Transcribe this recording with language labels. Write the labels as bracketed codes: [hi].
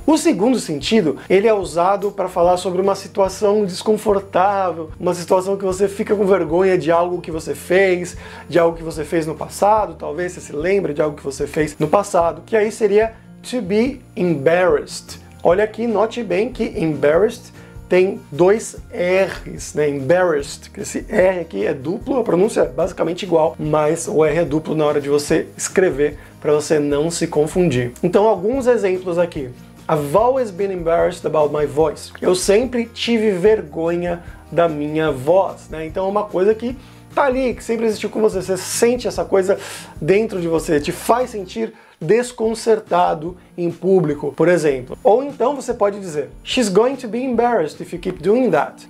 [pt] O segundo sentido, ele é usado para falar sobre uma situação desconfortável, uma situação que você fica com vergonha de algo que você fez, de algo que você fez no passado, talvez você se lembre de algo que você fez no passado, que aí seria to be embarrassed. Olha aqui, note bem que embarrassed tem dois R's, né? Embarrassed, que esse R aqui é duplo, a pronúncia é basicamente igual, mas o R é duplo na hora de você escrever, para você não se confundir. Então, alguns exemplos aqui. [en] I've always been embarrassed about my voice. [pt] Eu sempre tive vergonha da minha voz, né? Então, é uma coisa que tá ali, que sempre existiu com você. Você sente essa coisa dentro de você, te faz sentir desconcertado em público, por exemplo. Ou então você pode dizer, [en] she's going to be embarrassed if you keep doing that.